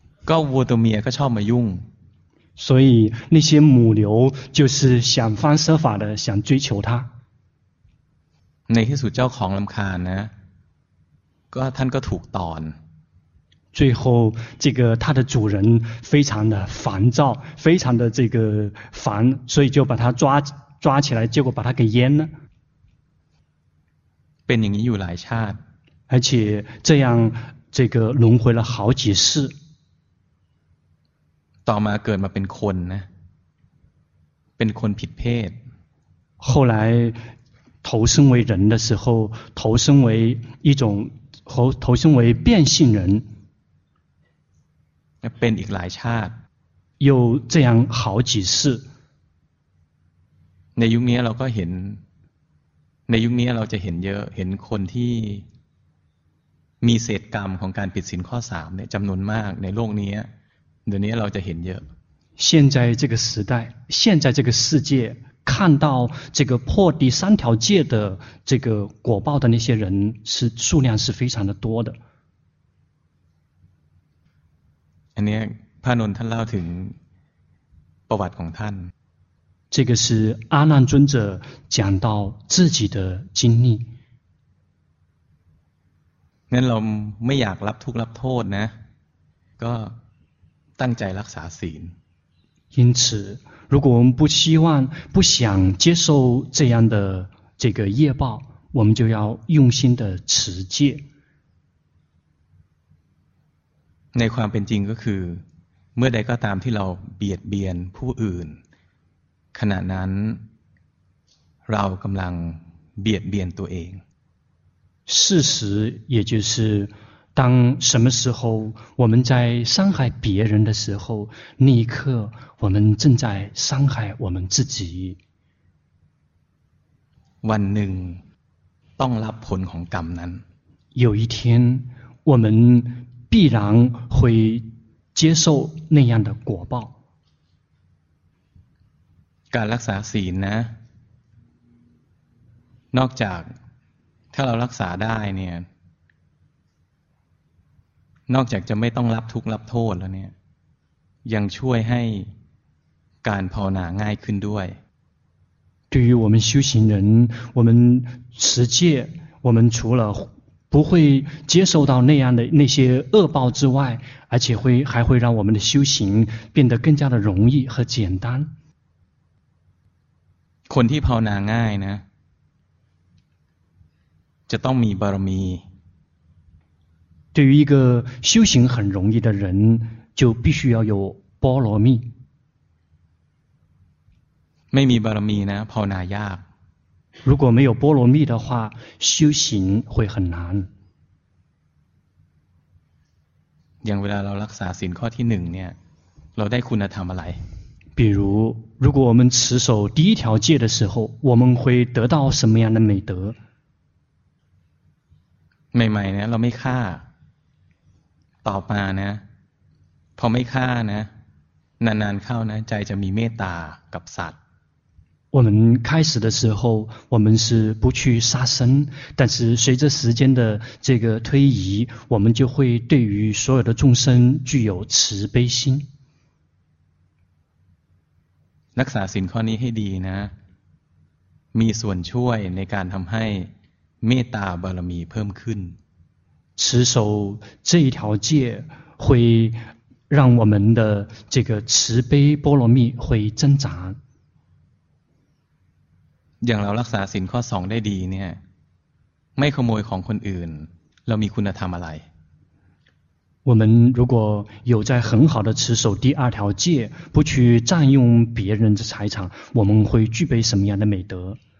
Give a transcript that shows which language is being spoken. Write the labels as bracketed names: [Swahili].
[Thai] ก็วัวตัวเมียก็ชอบมายุ่ง [Chinese] 所以那些母牛就是想方设法的想追求他 [Thai] ในที่สุดเจ้าของลำคาญนะก็ท่านก็ถูกตอน [Chinese] 最后这个他的主人非常的烦躁非常的这个烦所以就把他抓起来结果把他给阉了 [Thai] เป็นอย่างนี้อยู่หลายชาติ [Chinese] 而且这样这个轮回了好几世 [Thai] ต่อมาเกิดมาเป็นคนนะเป็นคนผิดเพศ [Chinese] 后来投生为人的时候投生为一种投生为变性人 [Thai] เป็นอีกหลายชาติ [Chinese] 又这样好几次 [Thai] ในยุคนี้เราก็เห็นในยุคนี้เราจะเห็นเยอะเห็นคนที่มีเศษกรรมของการผิดศีลข้อ3เนี่ยจำนวนมากในโลกนี้เดี๋ยวนี้เราจะเห็นเยอะ [Chinese] 现在这个时代现在这个世界看到这个破第三条戒的这个果报的那些人是数量是非常的多的 [Thai] อันนี้พระนนท์ท่านเล่าถึงประวัติของท่าน [Chinese] 这个是阿难尊者讲到自己的经历 [Thai] งั้นเราไม่อยากรับทุกข์รับโทษนะก็ตั้งใจรักษาศีล [Chinese] 因此如果我们不希望不想接受这样的这个业报我们就要用心的持戒 [Thai] ในความเป็นจริงก็คือเมื่อใดก็ตามที่เราเบียดเบียนผู้อื่นขณะนั้นเรากำลังเบียดเบียนตัวเอง [Chinese] 事实也就是当什么时候我们在伤害别人的时候那一刻我们正在伤害我们自己 [Thai] วันหนึ่งต้องรับผลของกรรมนั้น [Chinese] 有一天我们必然会接受那样的果报 [Thai] การรักษาศีลนะนอกจากถ้าเรารักษาได้เนี่ยนอกจากจะไม่ต้องรับทุกข์รับโทษแล้วเนี่ยยังช่วยให้การภาวนาง่ายขึ้นด้วย [Chinese] 对于我们修行人我们持戒我们除了不会接受到那样的那些恶报之外而且会还会让我们的修行变得更加的容易和简单 [Thai] คนที่ภาวนาง่ายนะจะต้องมีบารมี [Chinese] 对于一个修行很容易的人就必须要有波罗蜜 [Thai] ไม่มีบารมีนะภาวนายาก [Chinese] 如果没有波罗蜜的话修行会很难 [Thai] อย่างเวลาเรารักษาศีลข้อที่1เนี่ยเราได้คุณธรรมอะไร [Chinese] 比如如果我们持守第一条戒的时候我们会得到什么样的美德 [Thai] ใหม่ๆเนี่ยเราไม่ฆ่าต่อมานะพอไม่ฆ่านะนานๆเข้านะใจจะมีเมตตากับสัตว์ [Chinese] 我们开始的时候我们是不去杀生但是随着时间的这个推移我们就会对于所有的众生具有慈悲心 [Thai] กษาศีลข้อนี้ให้ดีนะมีส่วนช่วยในการทำให้เมตตาบารมีเพิ่มขึ้น [Chinese] 持守这一条戒会让我们的这个慈悲波罗蜜会增长 [Thai] อย่างเรารักษาศีลข้อ2ได้ดีเนี่ยไม่ขโมยของคนอื่นเรามีคุณธรรมอะไร [Chinese] 我们如果有在很好的持守第二条戒，不去占用别人的财产，我们会具备什么样的美德？